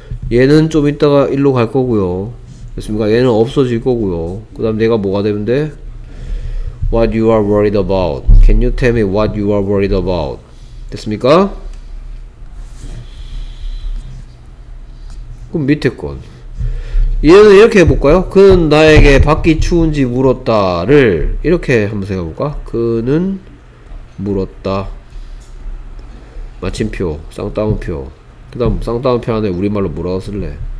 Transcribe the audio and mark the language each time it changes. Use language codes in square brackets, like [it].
[ko] 얘는 좀 이따가 일로 갈 거고요. 됐습니까? 얘는 없어질 거고요. 그 다음 내가 뭐가 되는데? [en] What you are worried about? Can you tell me what you are worried about? [ko] 됐습니까? 그럼 밑에 건 얘는 이렇게 해볼까요? 그는 나에게 밖이 추운지 물었다를 이렇게 한번 생각해볼까? 그는 물었다 마침표 쌍따옴표 그 다음 쌍따옴표 안에 우리말로 뭐라고 쓸래?